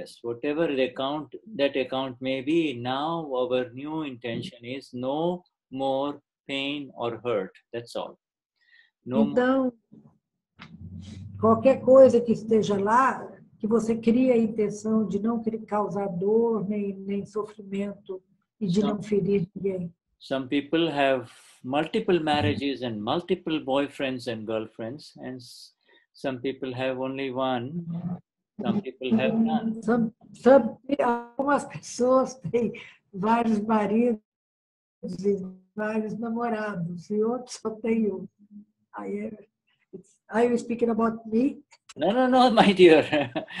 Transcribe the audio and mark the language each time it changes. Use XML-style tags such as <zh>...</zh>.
<en>Whatever that account may be, now our new intention is no more pain or hurt. That's all.</en> <pt>Qualquer coisa que esteja lá, que você crie a intenção de não querer causar dor, nem sofrimento e de não ferir ninguém.</pt> <en>Some people have multiple marriages and multiple boyfriends and girlfriends, and some people have only one. Some people have none.</en> <pt>Algumas pessoas têm vários maridos e vários namorados, e outros só têm um. Aí é.</pt> <en>Are you speaking about me? No, my dear.</en>